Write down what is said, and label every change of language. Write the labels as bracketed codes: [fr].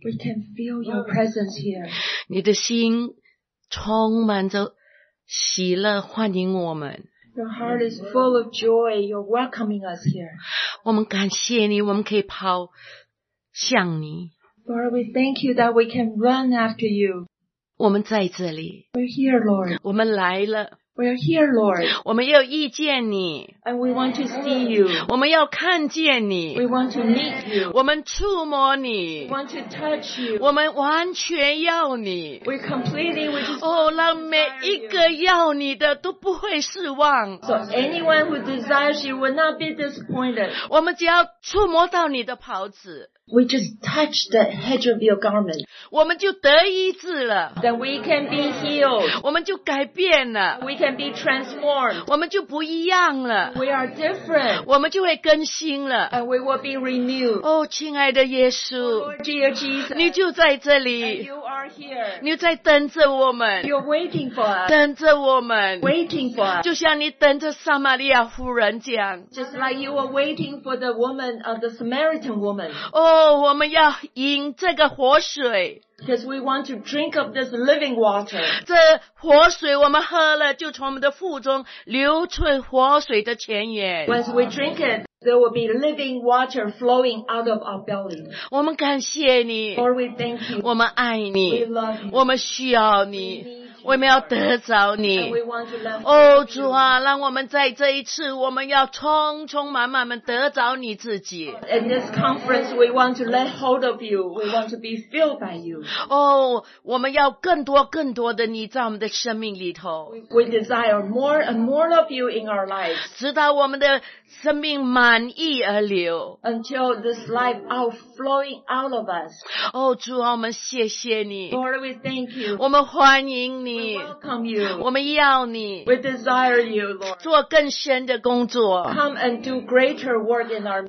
[en] We can feel your presence here. [zh] 你的心充满着喜乐欢迎我们。 [en] Your heart is full of joy. You're welcoming us here. [zh] 我们感谢你，我们可以跑向你。 [en] Lord, we thank you that we can run after you. [zh] 我们在这里。 [en] We're here, Lord. [zh] 我们来了。 [en] We're here, Lord. [zh] 我们要遇见你。 [en] And we want to see you. [zh] 我们要看见你。 [en] We want to meet you. [zh] 我们触摸你。 [en] We want to touch you. [zh] 我们完全要你。 [en] We completely want to. [zh] 哦，让每一个要你的都不会失望。 [en] So anyone who desires you will not be disappointed. [zh] 我们只要触摸到你的袍子。 [en] We just touch the hedge of your garment. [zh] 我们就得医治了。 [en] Then we can be healed. [zh] 我们就改变了。 [en] We can be transformed. [zh] 我们就不一样了。 [en] We are different. [zh] 我们就会更新了。 [en] And we will be renewed. [zh] 哦，亲爱的耶稣。 [en] Oh, dear Jesus. [zh] 你就在这里。 [en] And you are here. [zh] 你在等着我们。 [en] You're waiting for us. [zh] 等着我们。 [en] Waiting for us. [zh] 就像你等着撒玛利亚妇人这样。 [en] Just like you were waiting for the woman of the Samaritan woman. [zh] 哦，我们要饮这个活水。 [en] Because we want to drink of this living water. [zh] 这活水我们喝了，就从我们的腹中流出活水的泉源。 [en] Once we drink it, there will be living water flowing out of our belly. [zh] 我们感谢你。 [en] Lord, we thank you. [zh] 我们爱你。 [en] We love you. [zh] 我们需要你。我们要得着你。哦，主啊，让我们在这一次，我们要充充满满的得着你自己。 [en] In this conference, we want to let hold of you. We want to be filled by you. [zh] 哦，我们要更多更多的你在我们的生命里头。 [en] We desire more and more of you in our lives. [zh] 直到我们的生命满溢而流。 [en] Until this life outflowing out of us. [zh] 哦，主啊，我们谢谢你。 [en] Lord, we thank you. [zh] 我们欢迎你。 [en] We welcome you. [zh] 我们要你。 [en] We desire you, Lord. [zh] 做更深的工作。 [en] Come and do greater work in our.